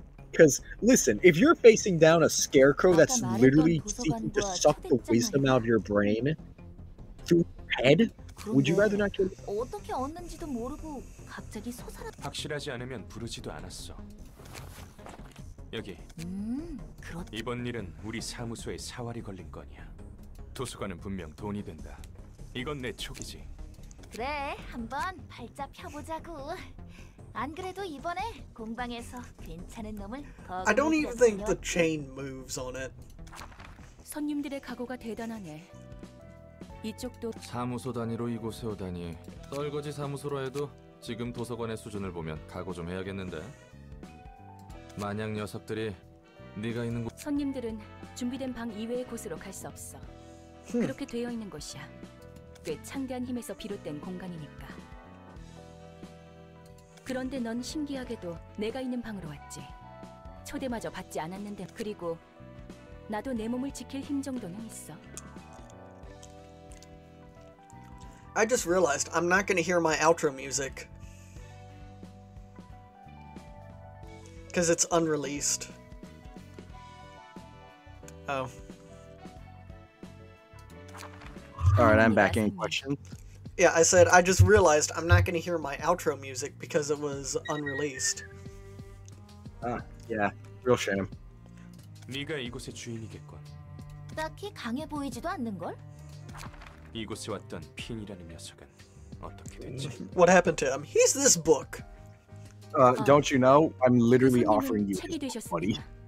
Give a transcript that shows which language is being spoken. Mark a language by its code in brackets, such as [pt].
[en] Because, listen, if you're facing down a scarecrow that's literally seeking to suck the wisdom out of your brain through your head, would you rather not kill it? [ko] 여기 그렇지. 이번 일은 우리 사무소에 사활이 걸린 거냐. 도서관은 분명 돈이 된다. 이건 내 촉이지. 그래, 한번 발자 펴보자고. 안 그래도 이번에 공방에서 괜찮은 놈을 더. [en] I don't even think the chain moves on it. [ko] 손님들의 각오가 대단하네. 이쪽도 사무소 단위로 이곳에 오다니. 떨거지 사무소라 해도 지금 도서관의 수준을 보면 각오 좀 해야겠는데. 만약 녀석들이 네가 있는 곳 손님들은 준비된 방 이외의 곳으로 갈 수 없어. 그렇게 되어 있는 곳이야. 꽤 창대한 힘에서 비롯된 공간이니까. 그런데 넌 신기하게도 내가 있는 방으로 왔지. 초대마저 받지 않았는데. 그리고 나도 내 몸을 지킬 힘 정도는 있어. [en] I just realized I'm not gonna hear my outro music. Because it's unreleased. Oh. Alright, I'm back in. Question? Yeah, I said, I just realized I'm not going to hear my outro music because it was unreleased. Ah, yeah. Real shame. [ko] 네가 이곳의 주인이겠군. 딱히 강해 보이지도 않는걸? 이곳에 왔던 핀이라는 녀석은 어떻게 됐지? [en] What happened to him? He's this book! Don't you know? I'm literally offering you his book, buddy.